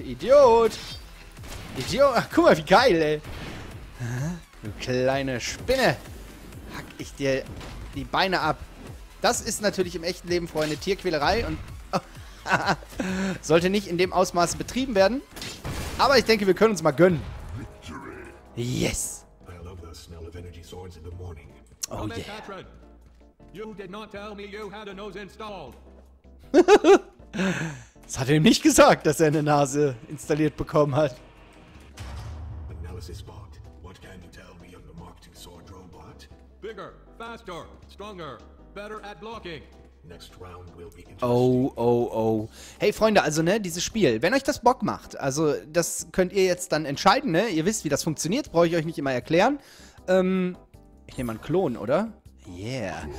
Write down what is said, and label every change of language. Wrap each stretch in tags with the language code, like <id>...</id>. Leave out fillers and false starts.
<de>Idiot. Idiot. Ach, guck mal, wie geil, ey. Du kleine Spinne. Hack ich dir die Beine ab. Das ist natürlich im echten Leben, Freunde, Tierquälerei. Und sollte nicht in dem Ausmaß betrieben werden. Aber ich denke, wir können uns mal gönnen.</de> <en>Yes! I love the smell of energy swords in the morning. Oh, yeah. Patron, you did not tell me you had a nose installed.</en> <de>Das hat er ihm nicht gesagt, dass er eine Nase installiert bekommen hat.</de> <en>Analysis bot. What can you tell me of the Mark II sword robot? Bigger, faster, stronger, better at blocking. Next round will be interesting. Oh, oh, oh.</en> <de>Hey, Freunde, also, ne, dieses Spiel, wenn euch das Bock macht, also, das könnt ihr jetzt dann entscheiden, ne? Ihr wisst, wie das funktioniert, brauche ich euch nicht immer erklären. Ich nehme mal einen Klon, oder? Yeah.</de>